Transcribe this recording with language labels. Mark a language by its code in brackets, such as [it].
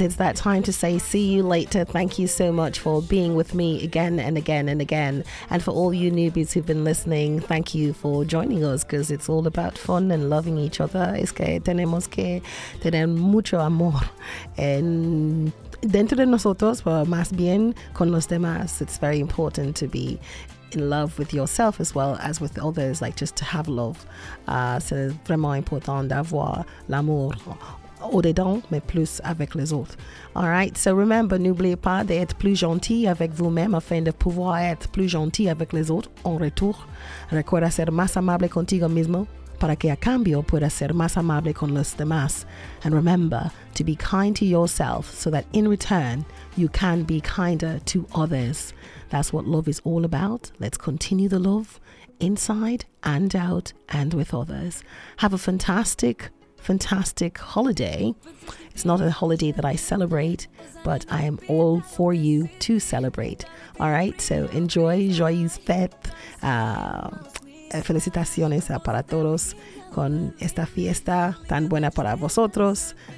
[en] It's that time to say see you later. Thank you so much for being with me again and again and again. And for all you newbies who've been listening, thank you for joining us, because it's all about fun and loving each other. [es] Es que tenemos que tener mucho amor en dentro de nosotros, pero más bien con los demás. [en] It's very important to be in love with yourself as well as with others, like just to have love. [fr] C'est vraiment important d'avoir l'amour au-dedans, mais plus avec les autres. [en] All right, so remember, [fr] n'oubliez pas d'être plus gentil avec vous-même afin de pouvoir être plus gentil avec les autres en retour. [es] Recuerda ser más amable contigo mismo para que a cambio pueda ser más amable con los demás. [en] And remember to be kind to yourself so that in return you can be kinder to others. That's what love is all about. Let's continue the love inside and out and with others. Have a fantastic, fantastic holiday. It's not a holiday that I celebrate, but I am all for you to celebrate. All right, so enjoy. [fr] Joyeuse fête. [es] Felicitaciones para todos con esta fiesta tan buena para vosotros.